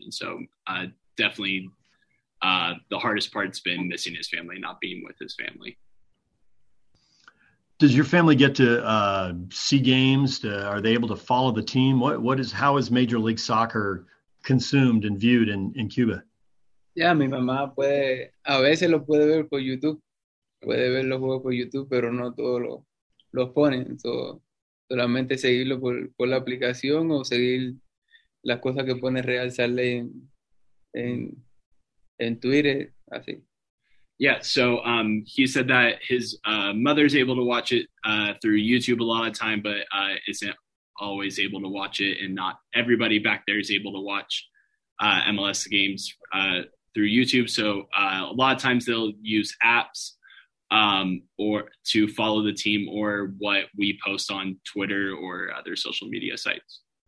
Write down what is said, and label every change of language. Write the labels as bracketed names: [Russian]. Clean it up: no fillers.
[English] And so definitely the hardest part's been missing his family, not being with his family. Does your family get to see games? Are they able to follow the team? How is Major League Soccer consumed and viewed in Cuba? [Spanish] Yeah, mi mamá puede, a veces lo puede ver por YouTube, puede ver los juegos por YouTube, pero no todos los ponen. So, solamente seguirlo por la aplicación o seguir las cosas que pone Real Salt Lake en Twitter, así. [English] Yeah, so he said that his mother's able to watch it through YouTube a lot of time, but isn't always able to watch it, and not everybody back there is able to watch MLS games through YouTube. So a lot of times they'll use apps or to follow the team, or what we post on Twitter or other social media sites.